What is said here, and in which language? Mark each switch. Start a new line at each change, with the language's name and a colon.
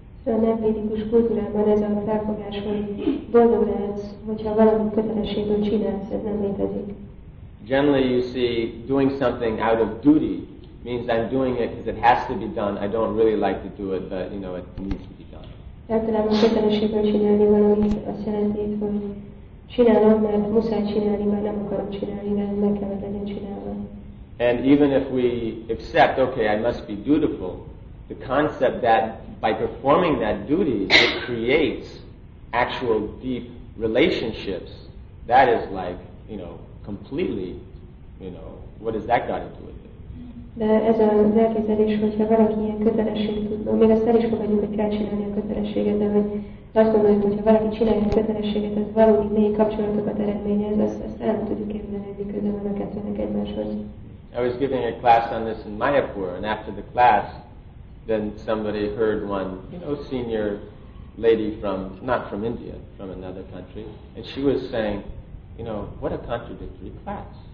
Hungarian: A nem védikus kultúrában ez a felfogás, hogy boldog lehetsz, hogyha valami kötelességből csinálsz, ez nem létezik.
English: Generally you see doing something out of duty means I'm doing it because it has to be done, I don't really like to do it, but you know, it needs to be done.
Hungarian: Általában kötelességből csinálni valamit azt jelenti, hogy csinálom, mert muszáj csinálni, mert nem akarom csinálni, mert meg kellett legyen csinálva.
English: And even if we accept, okay, I must be dutiful, the concept that by performing that duty, it creates actual deep relationships. That is like, you know, completely, you know, what has that got to do with it?
Hungarian: De ez az elképzelés, hogyha valaki ilyen kötelességet tudna, még azt el is fogadjuk, hogy kell csinálni a kötelességet, de hogy azt gondoljuk, hogyha valaki csinálja a kötelességet, az valódi mély kapcsolatokat eredményez, azt el nem tudjuk képzelni, hogy közben a kettőnek egymáshoz.
English: I was giving a class on this in Mayapur, and after the class, then somebody heard one, you know, senior lady from, not from India, from another country, and she was saying, you know, what a contradictory class.